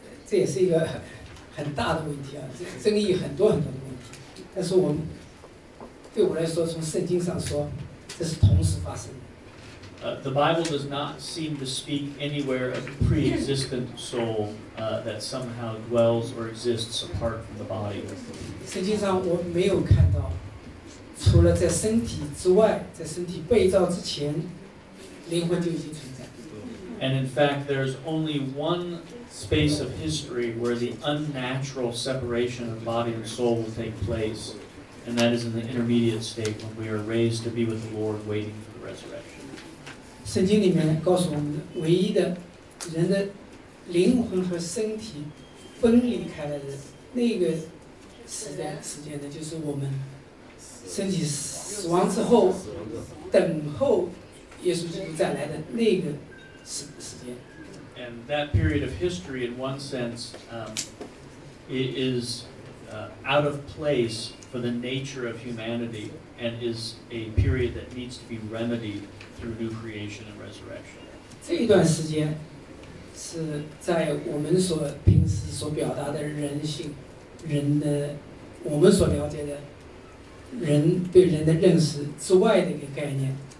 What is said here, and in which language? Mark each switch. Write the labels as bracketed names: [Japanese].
[Chinese] 这也是一个很大的问题啊，争议很多很多的问题。但是我们对我来说，从圣经上说，这是同时发生的。 [English] The Bible does not seem to speak anywhere of a pre-existent soul that somehow dwells or exists apart from the body. [Chinese] 实际上我没有看到，除了在身体之外，在身体被造之前，灵魂就已经存在。 [English] And in fact, there's only one space of history where the unnatural separation of body and soul will take place, and that is in the intermediate state when we are raised to be with the Lord waiting for the resurrection. [Chinese] 圣经里面告诉我们的唯一的人的灵魂和身体分离开来的那个时间的，就是我们身体死亡之后等候耶稣基督再来的那个时间。 [English] And that period of history, in one sense, is out of place for the nature of humanity, and is a period that needs to be remedied. Through new creation and resurrection. [Chinese] 这一段时间是在我们所平时所表达的人性，人的我们所了解的人对人的认识之外的一个概念。